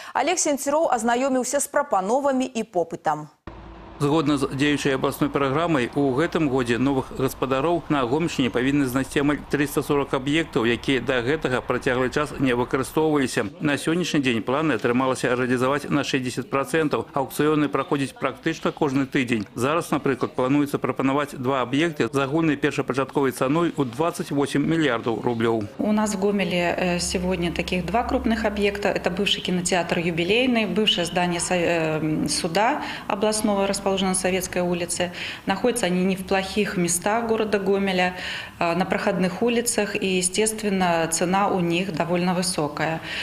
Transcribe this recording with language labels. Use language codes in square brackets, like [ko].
[ru] Олег Сенцеров ознайомился с пропановами и попытам. [be] Згодна з дзеючай абласной праграмай, у гэтым годзе новых гаспадароў на Гомельшчыне павінны знайсці амаль 340 аб'ектаў, якія да гэтага працяглы час не выкарыстоўваліся. На сённяшні дзень планы атрымалася рэалізаваць на 60%. Аукцыёны праходзяць практычна кожны тыдзень. Зараз, напрыклад, плануецца прапанаваць два аб'екты з агульнай першапачатковай цаной у 28 мільярдаў рублёў. [ru] У нас в Гомелі сегодня таких два крупных аб'екта. Это бывший кінотеатр «Юбілейны», бывшае здание суда областного, расположена на Советской улице. Находятся они не в плохих местах города Гомеля, на проходных улицах, и, естественно, цена у них довольно высокая.